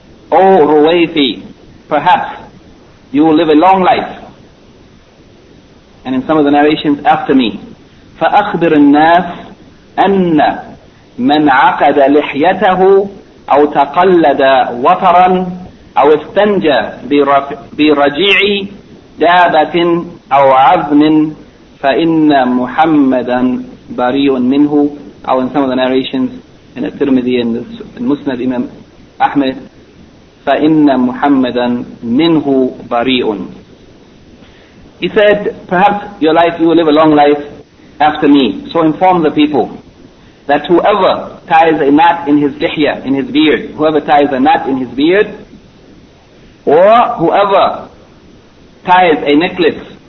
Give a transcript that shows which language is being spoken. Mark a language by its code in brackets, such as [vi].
[en] O رويفع, perhaps you will live a long life. And in some of the narrations, after me. [ar] فأخبر الناس أن من عقد لحيته أو تقلد وترا أو استنجى برجيع دابة أو عظم فإن محمدا بريء منه. أو [en] in some of the narrations in [ar] الترمذي and المسند إمام أحمد, فإن محمدا منه بريء. [en] He said, perhaps your life, you will live a long life after me. So inform the people that whoever ties a knot in his lihya, in his beard, whoever ties a knot in his beard, or whoever ties a necklace